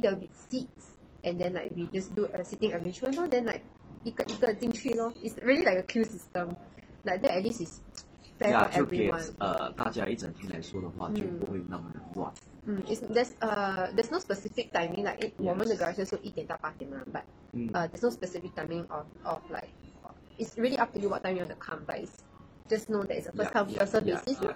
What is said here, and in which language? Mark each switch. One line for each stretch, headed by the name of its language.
English: There will be seats, and then like we just do a sitting arrangement. Then like
Chinese: 一个一个进去咯。
English: It's really like a queue system. Like that at least is fair for everyone.
Chinese: Yeah, 就给大家一整天来说的话，就不会那么乱。
English: There's no specific timing. Like it,
Chinese: 我们的 garage 是一点到八点嘛
English: ，but there's no specific timing of like it's really up to you what time you want to come, but it's,Just know that it's a first come first serve basis.